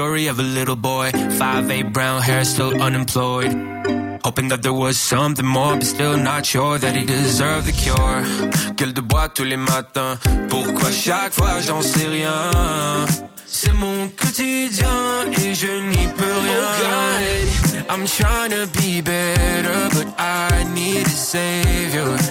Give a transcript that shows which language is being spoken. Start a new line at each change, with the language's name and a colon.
English: Of a little boy, 5'8 brown hair, still unemployed. Hoping that there was something more, but still not sure that he deserved the cure.
French: Gueule de bois tous les matins. Pourquoi chaque fois j'en sais rien? C'est mon quotidien et je n'y peux rien.
English: Oh God. I'm trying to be better, but I need a savior.